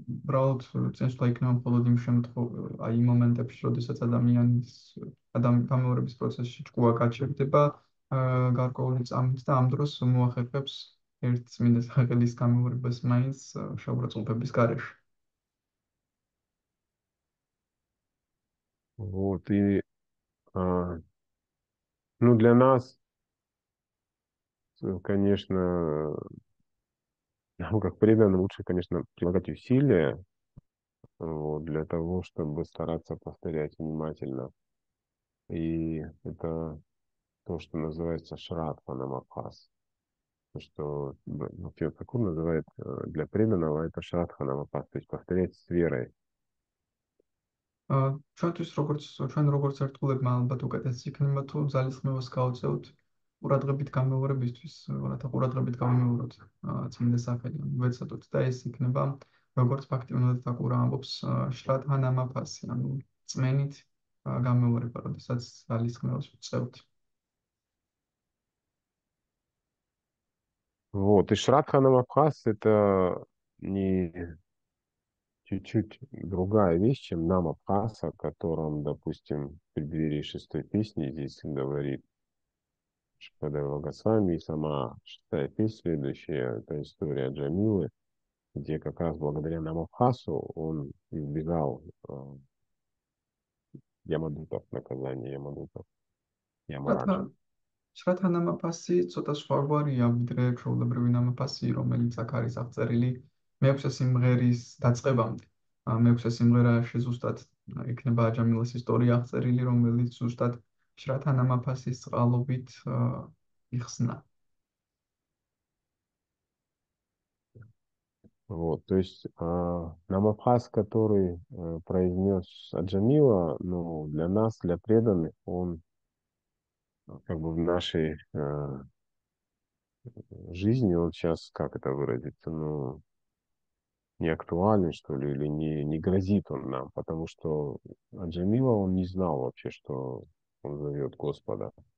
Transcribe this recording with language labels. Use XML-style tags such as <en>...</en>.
<ka>ბრალოდ წესდა იქნება მხოლოდ იმ შემთხვევაში, აი იმ მომენტებში, როდესაც ადამიანის გამეორების პროცესში ჭკუა გაჩერდება გარკვეული წამით და ამ დროს მოახერხებს ერთ წმინდა სახელის გამეორებას მაინც შეურაცხყოფების გარეშე.</ka> <ru>Вот, и ну, для нас, конечно, нам как преданным лучше, конечно, прилагать усилия, вот, для того, чтобы стараться повторять внимательно. И это то, что называется шрадханамабхас. То, что Бхактивинода Тхакур называет для преданного, это шрадханамабхас, то есть повторять с верой.</ru> <ka>ჩვენთვის როგორც ერთგულებმა ალბათ უკეთესი იქნება თუ ძალისხმევას გავწევთ ყურადღებით გამეორებისთვის, რათა ყურადღებით გამეოროთ წმინდა სახელი ვეცადოთ და ეს იქნება როგორც ფაქტიურად დაკურა ამბობს შრადჰანამაფასი, ანუ წმენით გამეორება, როდესაც ძალისხმევას ვწევთ.</ka> <ru>Вот, и шрадханамабхас — это не чуть-чуть другая вещь, чем намабхас, о котором, допустим, в преддверии шестой песни здесь говорит Шипадева Госвами, и сама шестая песня следующая — это история Джамилы, где как раз благодаря намабхасу он избегал ямадутов, наказания ямадутов, ямараджа.</ru> <ka>შრადჰანამაფასი ცოტა სხვაგვარია ვიდრე ჩვეულებრივი ნამაფასი, რომელიც აქ არის აღწერილი მეექვსე სიმღერის დაწყებამდე. მეექვსე სიმღერა ზუსტად იქნება აჯამილას ისტორია აღწერილი, რომელიც ზუსტად შრადჰანამაფასის წყალობით იხსნა.</ka> <ru>Вот, то есть намабхас, который произнес Аджамила, ну, для нас, для преданных, он как бы в нашей жизни, он сейчас, как это выразиться, ну, не актуален, что ли, или не грозит он нам, потому что Аджамила, он не знал вообще, что он зовет Господа.</ru>